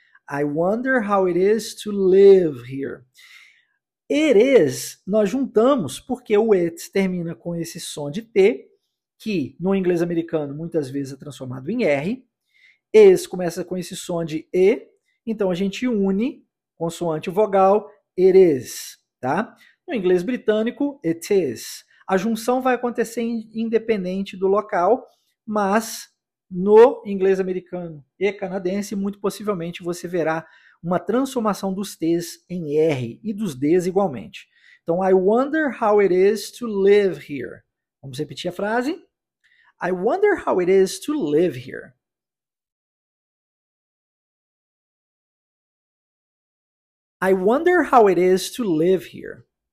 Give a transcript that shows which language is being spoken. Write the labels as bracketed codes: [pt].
[en] I wonder how it is to live here. It is, [pt] nós juntamos porque o it termina com esse som de t, que no inglês americano muitas vezes é transformado em r. Is começa com esse som de e, então a gente une consoante vogal, [en] it is, [pt] tá? No inglês britânico, [en] it is. [pt] A junção vai acontecer independente do local, mas no inglês americano e canadense, muito possivelmente você verá uma transformação dos t's em r e dos d's igualmente. [en] Então, I wonder how it is to live here. [pt] Vamos repetir a frase? [en] I wonder how it is to live here. I wonder how it is to live here.